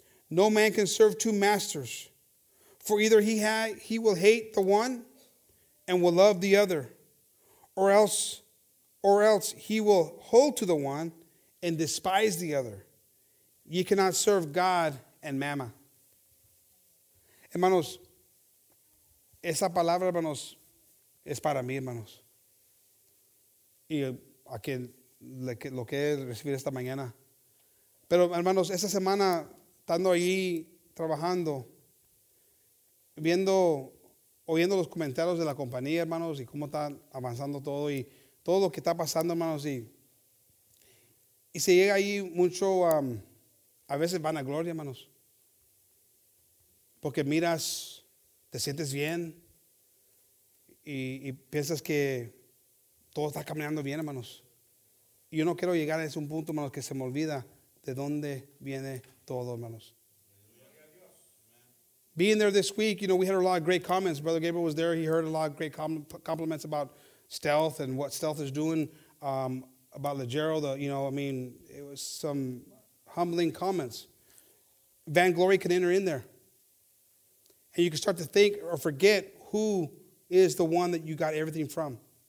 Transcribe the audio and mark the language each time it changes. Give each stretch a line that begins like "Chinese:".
English: No man can serve two masters, for either he will hate the one and will love the other, or else he will hold to the one and despise the other. Ye cannot serve God and mammon.
Spanish: Hermanos, esa palabra, hermanos, es para mí, hermanos. Y a quien lo que es recibir esta mañana. Pero, hermanos, esa semana, estando ahí trabajando, viendo, oyendo los comentarios de la compañía, hermanos, y cómo está avanzando todo, y todo lo que está pasando, hermanos, y se llega ahí mucho, a veces van a gloria, hermanos. Porque miras, te sientes bien, y piensas que todo está caminando bien, hermanos. Y yo no quiero llegar a ese punto, hermanos, que se me olvida de dónde viene todo, hermanos.
English: Being there this week, you know, we had a lot of great comments. Brother Gabriel was there. He heard a lot of great compliments about Stealth and what Stealth is doing, about Legero. It was some humbling comments. Vainglory can enter in there. And you can start to think or forget who is the one that you got everything from.